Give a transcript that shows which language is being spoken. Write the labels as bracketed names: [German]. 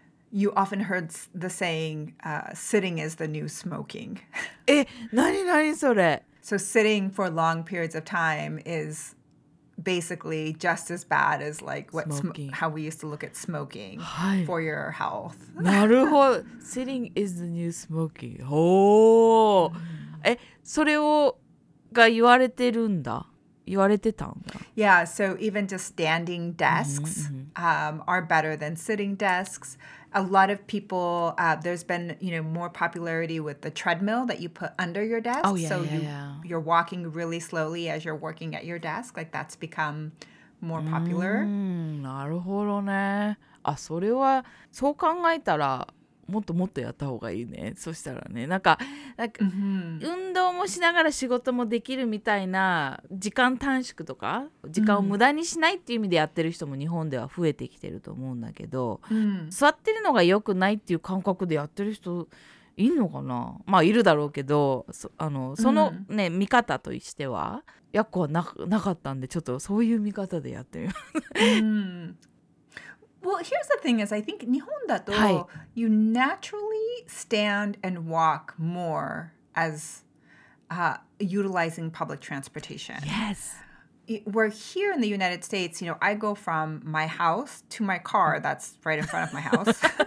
[English] You often heard the saying, "Sitting is the new smoking." [Japanese] え、何何それ。 [English] So sitting for long periods of time is basically just as bad as like what how we used to look at smoking for your health. [Japanese] なるほど。 [English] Sitting is the new smoking. [Japanese] Oh! え、それをが言われてるんだ。言われてたんだ。 [English] Yeah, so even just standing desks are better than sitting desks. A lot of people, there's been, you know, more popularity with the treadmill that you put under your desk. Oh, yeah, so yeah, you, yeah. You're walking really slowly as you're working at your desk. Like, that's become more popular. [Japanese] なるほどね。あ、それは、そう考えたら、もっともっとやった方がいいね。そしたらね、なんか、運動もしながら仕事もできるみたいな時間短縮とか、時間を無駄にしないっていう意味でやってる人も日本では増えてきてると思うんだけど、座ってるのが良くないっていう感覚でやってる人いんのかな。まあいるだろうけど、そのね、見方としてはやっこはなかったんで、ちょっとそういう見方でやってみます。 [English] Well, here's the thing is, I think [Japanese] 日本だと、はい、 [English] you naturally stand and walk more as utilizing public transportation. Yes. Where here in the United States, you know, I go from my house to my car that's right in front of my house.